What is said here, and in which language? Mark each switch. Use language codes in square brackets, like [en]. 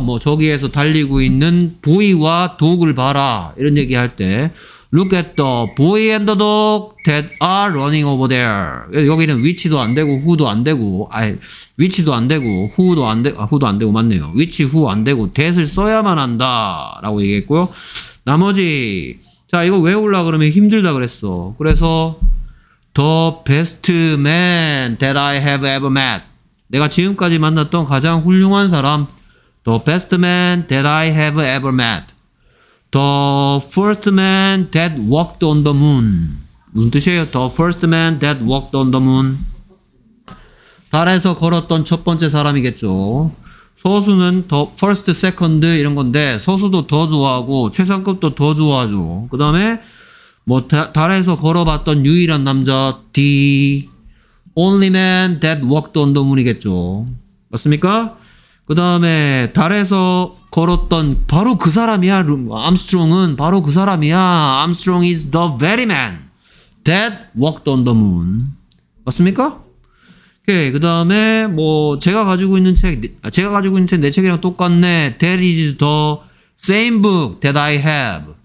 [ko] 뭐 저기에서 달리고 있는 보이와 독을 봐라 이런 얘기할 때 [en] look at the boy and the dog that are running over there. [ko] 여기는 which도 안 되고 who도 안 되고 아니 which도 안 되고 who도 안 되고 아 who도 안 되고 맞네요. which who 안 되고 that을 써야만 한다 라고 얘기했고요. 나머지 자 이거 외우려 그러면 힘들다 그랬어. 그래서 [en] the best man that I have ever met [ko] 내가 지금까지 만났던 가장 훌륭한 사람. [en] The best man that I have ever met. The first man that walked on the moon. [ko] 무슨 뜻이에요? [en] The first man that walked on the moon. [ko] 달에서 걸었던 첫 번째 사람이겠죠. 서수는 the first, second 이런 건데 서수도 더 좋아하고 최상급도 더 좋아하죠. 그 다음에 뭐 달에서 걸어봤던 유일한 남자 [en] the only man that walked on the moon [ko] 이겠죠. 맞습니까? 그 다음에 달에서 걸었던 바로 그 사람이야. 암스트롱은 바로 그 사람이야. [en] Armstrong is the very man that walked on the moon. [ko] 맞습니까? 오케이. 그 다음에 뭐 제가 가지고 있는 책, 제가 가지고 있는 책 내 책이랑 똑같네. [en] That is the same book that I have.